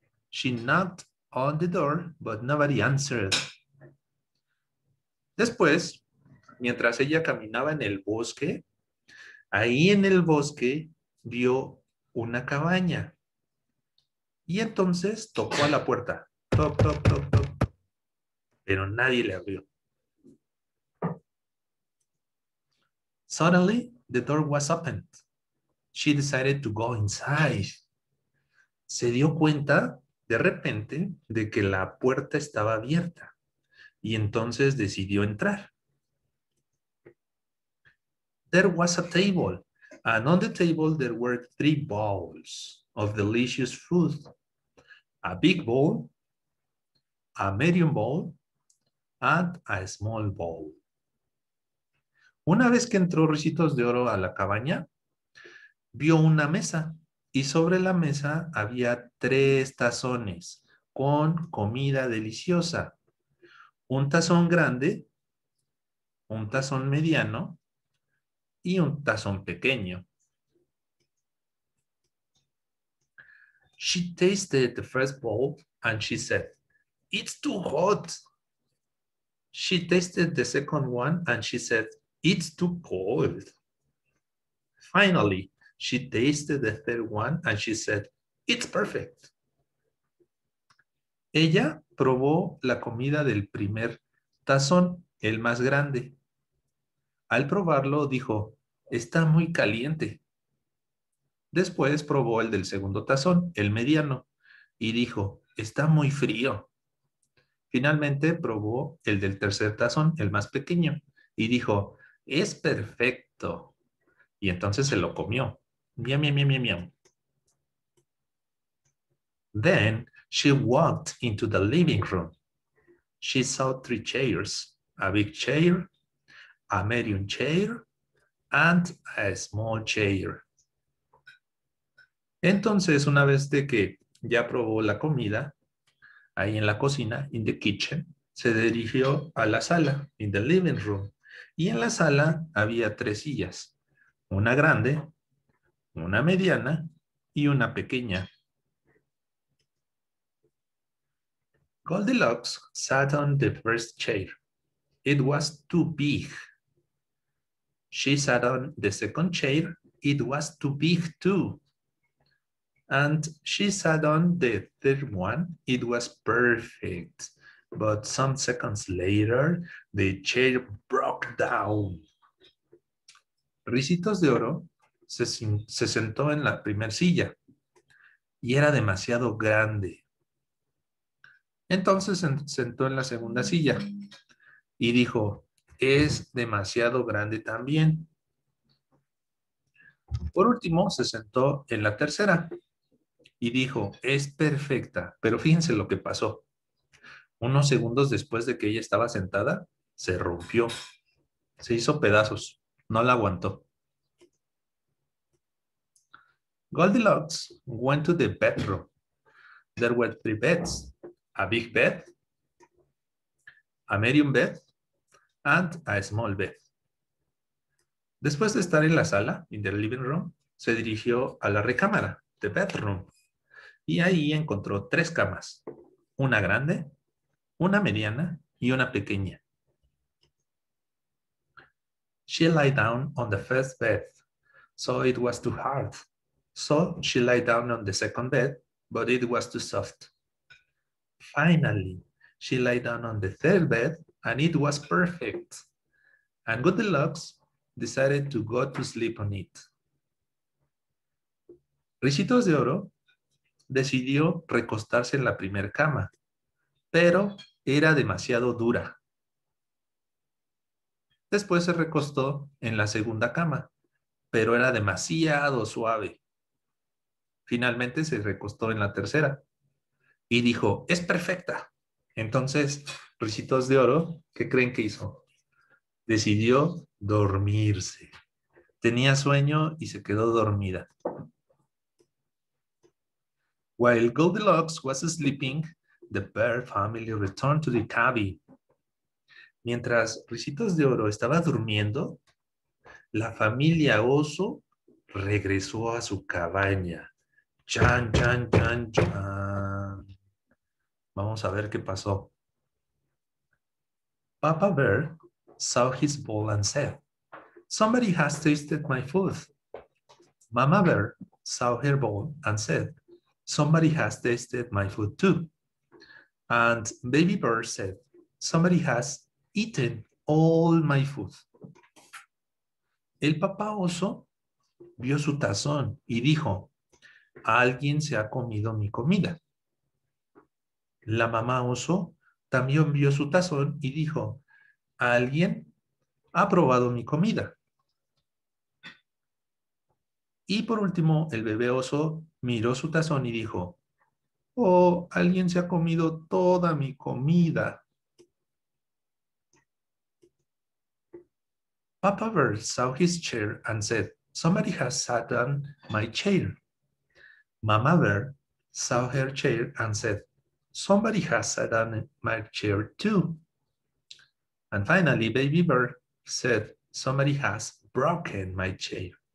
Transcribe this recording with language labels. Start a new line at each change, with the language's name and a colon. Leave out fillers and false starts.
English: She knocked on the door, but nobody answered.
Spanish: Después, mientras ella caminaba en el bosque, ahí en el bosque vio una cabaña. Y entonces tocó a la puerta. Toc, toc, toc, toc. Pero nadie le abrió.
English: Suddenly, the door was opened. She decided to go inside.
Spanish: Se dio cuenta de repente de que la puerta estaba abierta. Y entonces decidió entrar.
English: There was a table. And on the table, there were three bowls of delicious food. A big bowl, a medium bowl, and a small bowl.
Spanish: Una vez que entró Ricitos de Oro a la cabaña, vio una mesa. Y sobre la mesa había tres tazones con comida deliciosa. Un tazón grande, un tazón mediano y un tazón pequeño. She tasted the first bowl and she said, "It's too hot." She tasted the second one and she said, "It's too cold." Finally, she tasted the third one and she said, "It's perfect." Ella probó la comida del primer tazón, el más grande. Al probarlo, dijo, "Está muy caliente." Después probó el del segundo tazón, el mediano, y dijo, "Está muy frío." Finalmente probó el del tercer tazón, el más pequeño, y dijo, "Es perfecto." Y entonces se lo comió. Miam, miam, miam, miam.
English: Then she walked into the living room. She saw three chairs, a big chair, a medium chair, and a small chair.
Spanish: Entonces, una vez de que ya probó la comida, ahí en la cocina,
English: in the kitchen,
Spanish: se dirigió a la sala,
English: in the living room.
Spanish: Y en la sala había tres sillas, una grande, una mediana y una pequeña.
English: Goldilocks sat on the first chair. It was too big. She sat on the second chair. It was too big too. And she sat on the third one. It was perfect. But some seconds later, the chair broke down.
Spanish: Ricitos de Oro se sentó en la primera silla y era demasiado grande. Entonces se sentó en la segunda silla y dijo, es demasiado grande también. Por último, se sentó en la tercera y dijo, es perfecta. Pero fíjense lo que pasó. Unos segundos después de que ella estaba sentada, se rompió. Se hizo pedazos. No la aguantó.
English: Goldilocks went to the bedroom. There were three beds. A big bed, a medium bed, and a small bed.
Spanish: Después de estar en la sala,
English: in the living room,
Spanish: se dirigió a la recámara,
English: the bedroom.
Spanish: Y ahí encontró tres camas. Una grande, una mediana y una pequeña.
English: She lay down on the first bed, so it was too hard. So she lay down on the second bed, but it was too soft. Finally, she lay down on the third bed, and it was perfect. And Goldilocks decided to go to sleep on it.
Spanish: Ricitos de Oro decidió recostarse en la primera cama, pero era demasiado dura. Después se recostó en la segunda cama, pero era demasiado suave. Finalmente se recostó en la tercera y dijo, es perfecta. Entonces, Ricitos de Oro, ¿qué creen que hizo? Decidió dormirse. Tenía sueño y se quedó dormida.
English: While Goldilocks was sleeping, the bear family returned to the cabin.
Spanish: Mientras Ricitos de Oro estaba durmiendo, la familia oso regresó a su cabaña. Chan, chan, chan, chan. Vamos a ver qué pasó.
English: Papa Bear saw his bowl and said, "Somebody has tasted my food." Mama Bear saw her bowl and said, "Somebody has tasted my food too." And Baby Bear said, "Somebody has eaten all my food."
Spanish: El papá oso vio su tazón y dijo, "Alguien se ha comido mi comida." La mamá oso también vio su tazón y dijo, "Alguien ha probado mi comida." Y por último, el bebé oso miró su tazón y dijo, "Oh, alguien se ha comido toda mi comida."
English: Papa Bear saw his chair and said, "Somebody has sat on my chair." Mama Bear saw her chair and said, "Somebody has sat on my chair too." And finally, Baby Bear said, "Somebody has broken my chair."